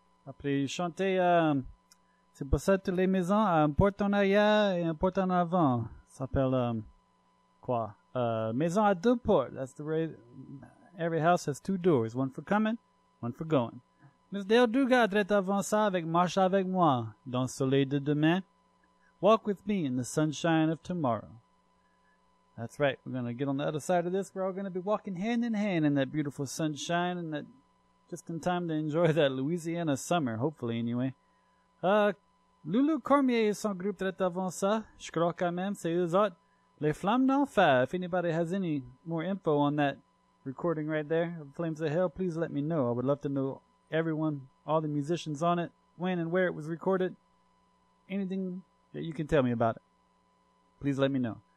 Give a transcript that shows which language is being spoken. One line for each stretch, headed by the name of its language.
French: Après chanter, c'est pour ça toutes les maisons, un portant arrière et un portant avant. Ça s'appelle, quoi? Maison à deux portes.
English: That's the way every house has two doors. One for coming, one for going.
French: Miss Dale Duga, direct avant ça avec Marche avec moi dans le soleil de demain.
English: Walk with me in the sunshine of tomorrow. That's right. We're going to get on the other side of this. We're all going to be walking hand in hand in that beautiful sunshine and that just in time to enjoy that Louisiana summer, hopefully, anyway.
French: Lulu Cormier et son groupe direct avant ça. Je crois quand même, c'est eux autres. Les Flammes d'Enfer.
English: If anybody has any more info on that recording right there, Flames of Hell, please let me know. I would love to know everyone, all the musicians on it, when and where it was recorded. Anything that you can tell me about it, please let me know.